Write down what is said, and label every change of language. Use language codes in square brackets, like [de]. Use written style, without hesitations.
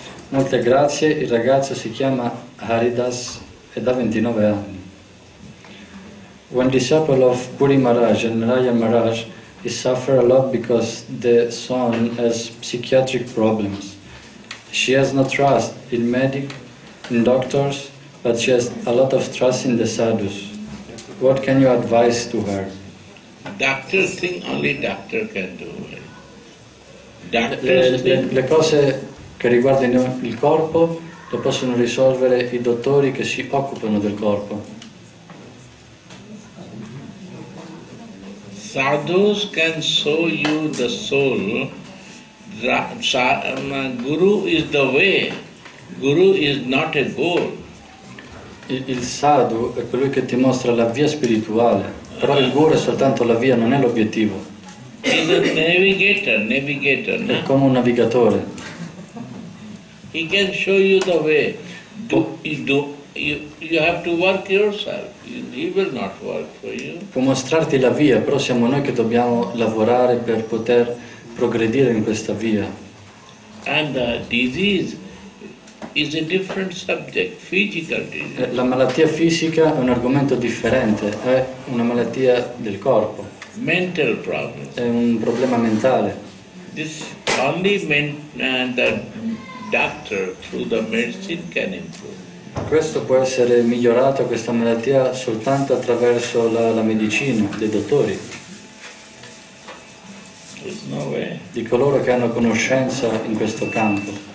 [it] Molte grazie, il ragazzo si chiama Haridas ed ha 29 anni. [en] One disciple of Puri Maharaj and Narayana Maharaj, he suffers a lot because the son has psychiatric problems. She has no trust in medics, in doctors, but she has a lot of trust in the sadhus. What can you advise to her? Doctors think only doctor can do. [it] Le cose che riguardano il corpo le possono risolvere i dottori che si occupano del corpo. [en] Sadhus can show you the soul. Guru is the way. Guru is not a goal. [it] Il sadhu è colui che ti mostra la via spirituale, però il guru è soltanto la via, non è l'obiettivo. [en] He's a navigator. [it] È come un navigatore. [en] He can show you the way. You have to work yourself. He will not work for you. [it] Può mostrarti la via, però siamo noi che dobbiamo lavorare per poter progredire in questa via. [en] And the disease is a different subject, physical disease. [it] La malattia fisica è un argomento differente, è una malattia del corpo. [en] Mental problems. [it] È un problema mentale. [en] This only the doctor through the medicine can improve. [it] Questo può essere migliorato, questa malattia, soltanto attraverso la medicina, dei dottori. [en] There's no way. [it] Di coloro che hanno conoscenza in questo campo.